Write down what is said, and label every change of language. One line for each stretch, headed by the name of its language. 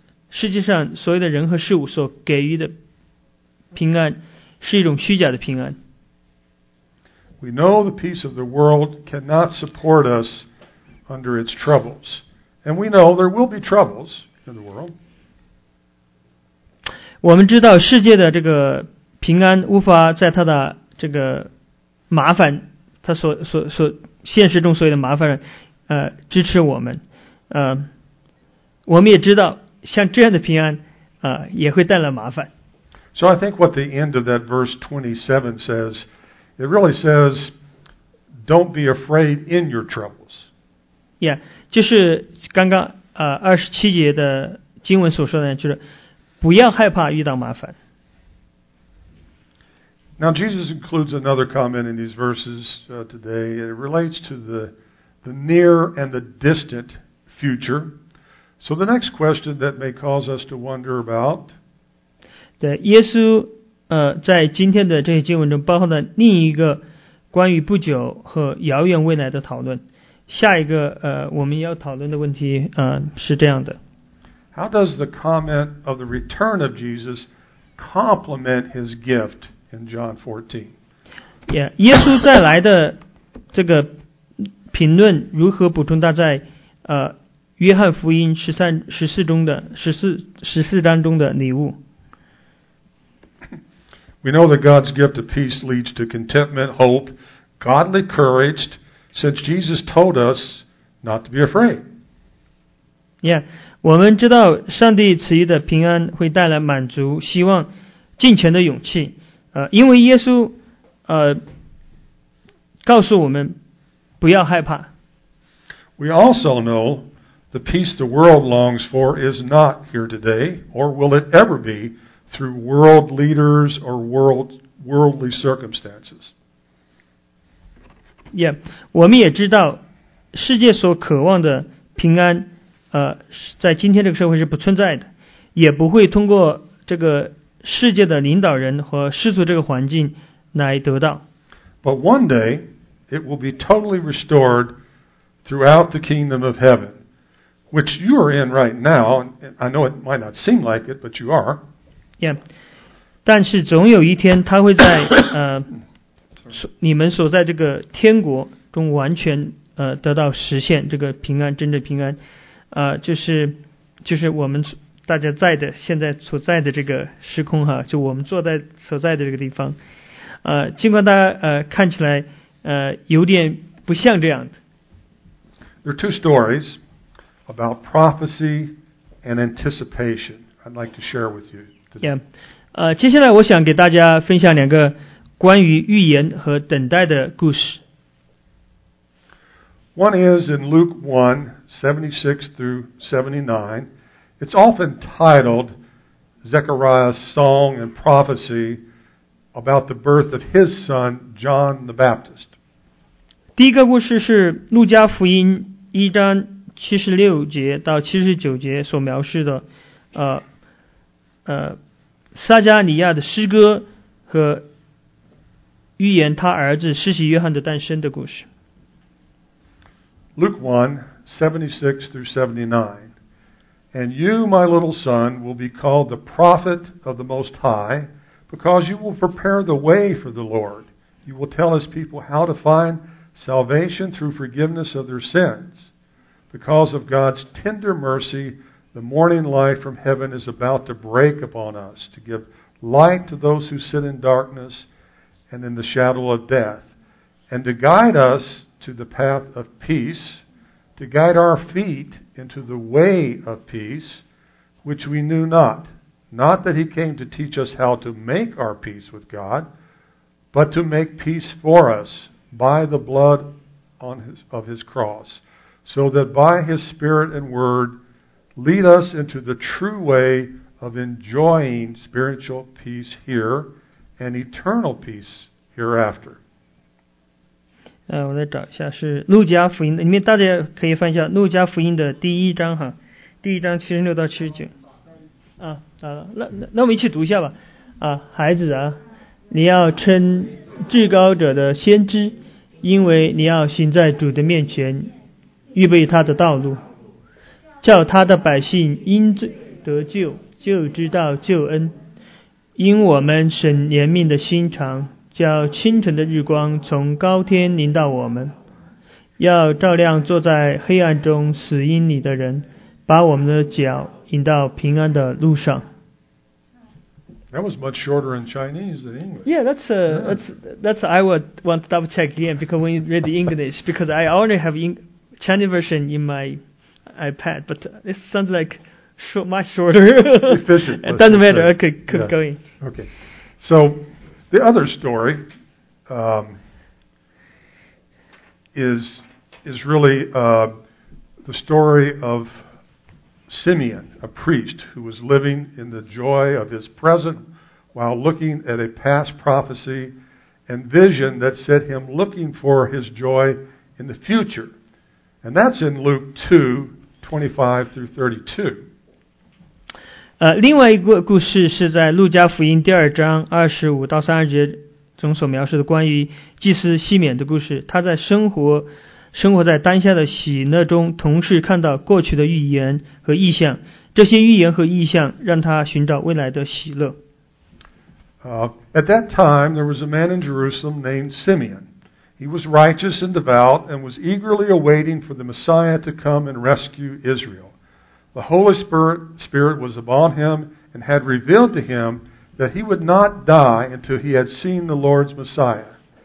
Chinese: 世界上所有的人和事物所给予的平安是一种虚假的平安。
English: We know the peace of the world cannot support us under its troubles. And we know there will be troubles in the world.
Chinese: 我们知道世界的这个平安无法在它的这个麻烦，它所现实中所有的麻烦，支持我们。我们也知道像这样的平安，也会带来麻烦。
English: So I think what the end of that verse 27 says, it really says, don't be afraid in your troubles.
Chinese: Yeah, 就是刚刚27节的经文所说的，就是不要害怕遇到麻烦。
English: Now Jesus includes another comment in these verses today. It relates to the near and the distant future. So the next question that may cause us to wonder about.
Chinese: 耶稣在今天的这些经文中包含了另一个关于不久和遥远未来的讨论。下一个我们要讨论的问题是这样的。
English: How does the comment of the return of Jesus complement his gift in John 14?
Chinese: Yeah, 耶稣再来的这个评论如何补充他在约翰福音14章中的礼物。
English: We know that God's gift of peace leads to contentment, hope, godly courage, since Jesus told us not to be afraid.
Chinese: Yeah, 我们知道上帝赐予的平安会带来满足、希望、敬虔的勇气。因为耶稣告诉我们不要害怕。
English: We also know the peace the world longs for is not here today, or will it ever be, through world leaders or worldly circumstances.
Chinese: Yeah, 我们也知道世界所渴望的平安在今天这个社会是不存在的，也不会通过这个世界的领导人和世俗这个环境来得到。
English: But one day, it will be totally restored throughout the kingdom of heaven, which you are in right now, and I know it might not seem like it, but you are.
Chinese: Yeah, 但是总有一天他会在你们所在这个天国中完全得到实现这个平安真正平安就是我们大家在的现在所在的这个时空哈就我们坐在所在的这个地方尽管大家看起来有点不像这样的
English: There are two stories about prophecy and anticipation I'd like to share with you
Chinese: Yeah, 接下来我想给大家分享两个关于预言和等待的故事。
English: One is in Luke 1:76 through 79. It's often titled Zechariah's Song and Prophecy about the birth of his son, John the Baptist.
Chinese: 第一个故事是路加福音一章七十六节到七十九节所描述的撒加尼亚的诗歌和预言他儿子施洗约翰的诞生的故事。
English: Luke 1:76 through 79. And you, my little son, will be called the prophet of the Most High, because you will prepare the way for the Lord. You will tell his people how to find salvation through forgiveness of their sins. Because of God's tender mercy,The morning light from heaven is about to break upon us to give light to those who sit in darkness and in the shadow of death and to guide us to the path of peace, to guide our feet into the way of peace, which we knew not. Not that he came to teach us how to make our peace with God, but to make peace for us by the blood of his cross, so that by his spirit and word,Lead us into the true way of enjoying spiritual peace here and eternal peace hereafter.
Chinese: 我来找一下是路加福音的，你们大家可以翻一下路加福音的第一章哈，第一章七十六到七十九。那我们一起读一下吧。孩子啊，你要称至高者的先知，因为你要行在主的面前，预备他的道路。叫他的百姓因罪得救，就知道救恩。因我们神怜悯的心肠，叫清晨的日光从高天临到我们，要照亮坐在黑暗中死荫里的人，把我们的脚引到平安的路上。
English: That was much shorter in Chinese than English. Yeah, that's I would want to double check again because when you read the English, because I already have Chinese version in my. iPad, but it sounds like much shorter. Efficient. It doesn't matter. Okay, keep going. Okay. So, the other story is really the story of Simeon, a priest who was living in the joy of his present while looking at a past prophecy and vision that set him looking for his joy in the future. And that's in Luke 2, 25 through 32.
Chinese: 另外一个故事是在路加福音第二章二十五到三十节中所描述的关于祭司西缅的故事。他在生活在当下的喜乐中，同时看到过去的预言和异象。这些预言和异象让他寻找未来的喜乐。
English: At that time, there was a man in Jerusalem named Simeon. He was righteous and devout and was eagerly awaiting for the Messiah to come and rescue Israel. The Holy Spirit was upon him and had revealed to him that he would not die until he had seen the Lord's Messiah.